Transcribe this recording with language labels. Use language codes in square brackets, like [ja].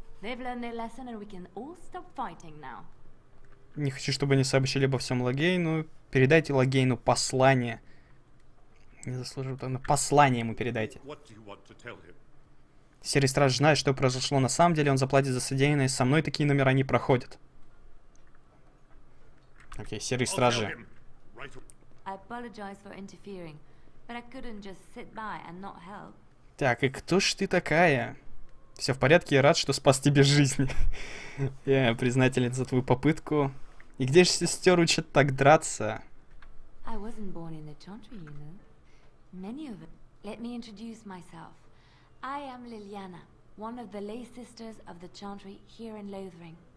[en] They've learned their lesson and we can all stop fighting now. [ru] Не хочу, чтобы они сообщили обо всем Логейну. Передайте Логейну послание. Не заслужил там. Послание ему передайте. Серый страж знает, что произошло на самом деле. Он заплатит за содеянное. Со мной такие номера не проходят. Окей, серые стражи. [en] I apologize for interfering, but I couldn't just sit by and not help. [ru] Так, и кто ж ты такая? Все в порядке, я рад, что спас тебе жизнь. Я признателен за твою попытку. И где же сестер учат так драться? [en] I wasn't born in the Chantry, you know. Many of them. Let me introduce myself. I am Liliana, one of the lay sisters of the Chantry here in Lothring.